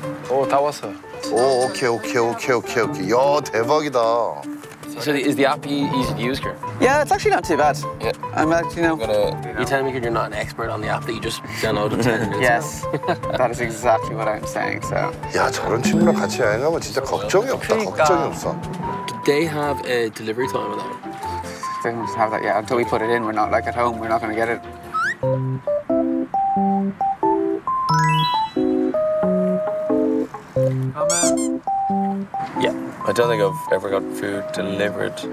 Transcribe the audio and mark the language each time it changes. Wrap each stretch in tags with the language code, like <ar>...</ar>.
<en>Oh, that was her. Oh, okay. Yo,</en> <ko>대박이다.</ko> <en>So is the app easy to use here? Yeah, it's actually not too bad. Yeah. I'm actually, You're telling me you're not an expert on the app that you just downloaded 10 minutes Yes, that is exactly what I'm saying, so.</en> <ko>야, 저런 친구랑 같이 여행하면 진짜 걱정이 없다, 걱정이 없어.</ko> <en>Do they have a delivery time or not? They don't have that yet. Until we put it in, we're not like at home. We're not going to get it. Yeah, I don't think I've ever got food delivered.</en>